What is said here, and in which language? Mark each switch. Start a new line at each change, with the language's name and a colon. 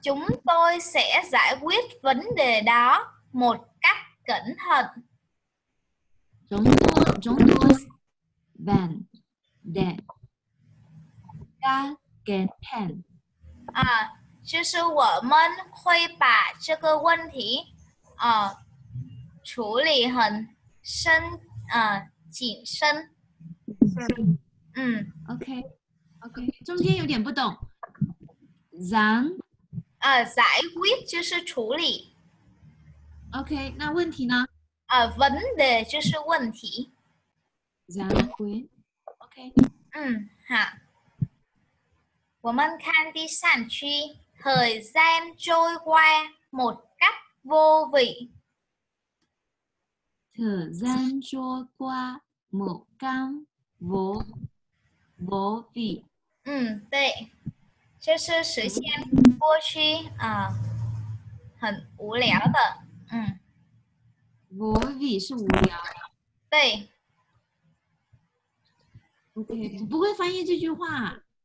Vietnamese: chúng tôi sẽ giải quyết vấn đề đó một cách cẩn thận。 chúng tôi vấn đề cẩn thận。
Chinese: 就是我们会把这个问题处理很深谨慎。 OK 中间有点不懂。 giải quyết 就是处理。 OK 那问题呢 vấn đề 就是问题。
Vietnamese: giải quyết OK。
Chinese: 好，我们看第三句。
Vietnamese: thời gian trôi qua một cách vô vị。 thời gian trôi qua một cách vô vị.
Chinese: 对，就是时间过去很无聊的。 vô vị 是无聊。对。 OK， 不会翻译这句话。